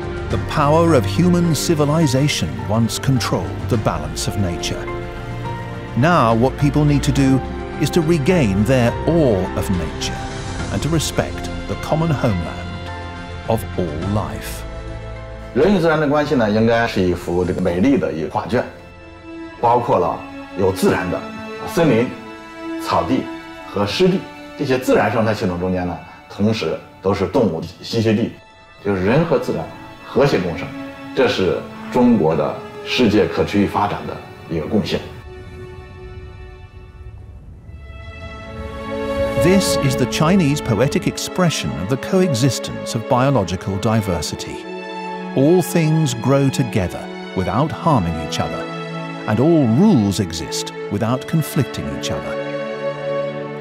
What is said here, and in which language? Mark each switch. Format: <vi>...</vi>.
<en>The power of human civilization once controlled the balance of nature. Now what people need to do is to regain their awe of nature and to respect the common homeland of all life.</en> <zh>人与自然的关系呢，应该是一幅这个美丽的一个画卷，包括了有自然的森林、草地和湿地这些自然生态系统中间呢，同时都是动物栖息地，就是人和自然和谐共生，这是中国的世界可持续发展的一个贡献。</zh> <en>This is the Chinese poetic expression of the coexistence of biological diversity. All things grow together without harming each other, and all rules exist without conflicting each other.</en>